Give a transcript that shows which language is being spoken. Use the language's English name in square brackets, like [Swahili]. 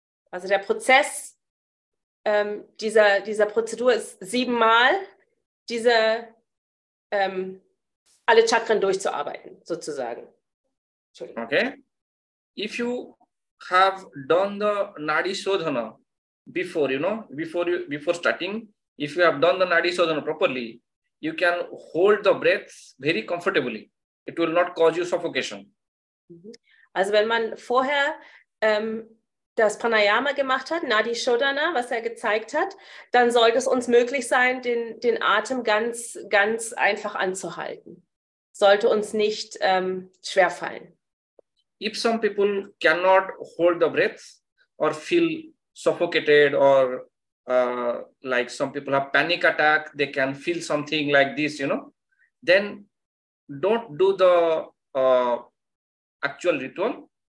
[German] Also der Prozess dieser Prozedur ist 7 Mal diese alle Chakren durchzuarbeiten, sozusagen. [English] Okay. If you have done the Nadi Shodhana before starting, if you have done the Nadi Shodhana properly, you can hold the breath very comfortably. It will not cause you suffocation. [German] Also wenn man vorher das Pranayama gemacht hat, Nadi Shodhana, was er gezeigt hat, dann sollte es uns möglich sein, den Atem ganz, ganz einfach anzuhalten. Sollte uns nicht schwerfallen. [English] If some people cannot hold the breath or feel suffocated or like some people have panic attack, they can feel something like this, you know, then don't do the actual ritual.